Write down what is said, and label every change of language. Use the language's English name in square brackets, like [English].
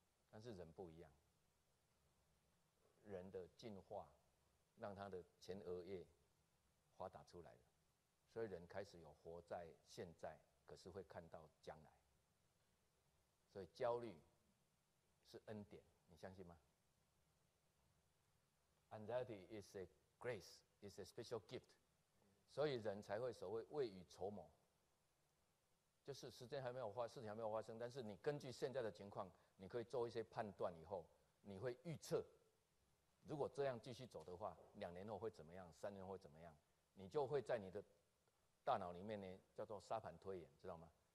[Chinese] 但是人不一样，人的进化让他的前额叶发达出来了，所以人开始有活在现在，可是会看到将来。所以焦虑是恩典，你相信吗？ [English] Anxiety is a grace, is a special gift. [Chinese] 所以人才会所谓未雨绸缪，就是时间还没有发，事情还没有发生，但是你根据现在的情况，你可以做一些判断，以后你会预测，如果这样继续走的话，两年后会怎么样，三年后会怎么样，你就会在你的大脑里面呢，叫做沙盘推演，知道吗？